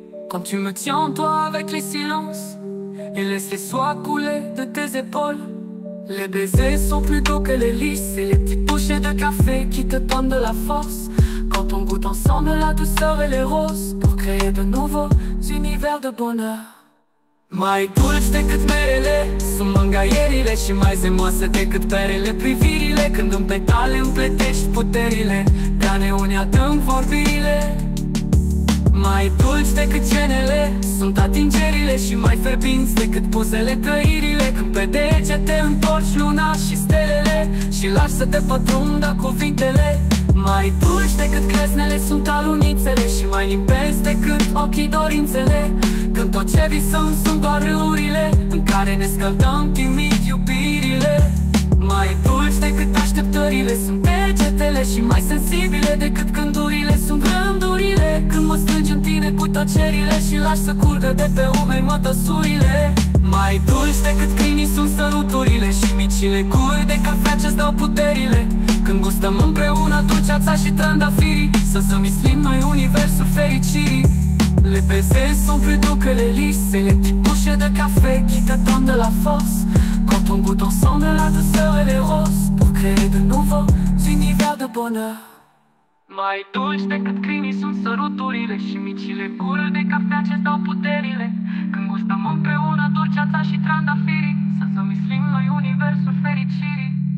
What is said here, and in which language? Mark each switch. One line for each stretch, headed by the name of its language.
French: Quand tu me tiens toi avec les silences et laisse les soies couler de tes épaules. Les baisers sont plus doux que les lys et les petites bouchées de café qui te donnent de la force. Quand on goûte ensemble la douceur et les roses pour créer de nouveaux univers de bonheur.
Romanian: Mai dulci decât merele sunt mângâierile și mai zemoase decât perele privirile. Când în petale împletești puterile, dar neunea dăm vorbirile. Mai dulci decât genele sunt atingerile și mai ferbinți decât pozele trăirile. Când pe degete întorci luna și stelele și lași să te pătrundă cuvintele. Mai dulci decât creznele sunt alunițele și mai limpezi decât ochii dorințele. Când tot ce visăm sunt doar râurile în care ne scăldăm timid iubirile. Mai dulci decât așteptările sunt degetele și mai sensibile decât gândurile sunt rândurile. Când mă strângi în tine cu tăcerile și lași să curgă de pe umeri mătăsurile. Mai dulci decât câinii sunt săruturile și micile cuiuri de cafea ce-ți dau puterile. Când gustăm împreună dulceața și trandafirii, să zămislim noi universul fericirii.
French: Le peze sunt plus doux que les lys, et les petites bouchées de café qui te donnent de la force. Quand on goûte ensemble la douceur et les roses, pour créer de nouveaux univers de bonheur.
Romanian: Mai dulci decât câinii sunt săruturile și micile cure de cafea ce-ți dau puterile. Când gustăm împreună dulceața și trandafirii, să zămislim noi universul fericirii.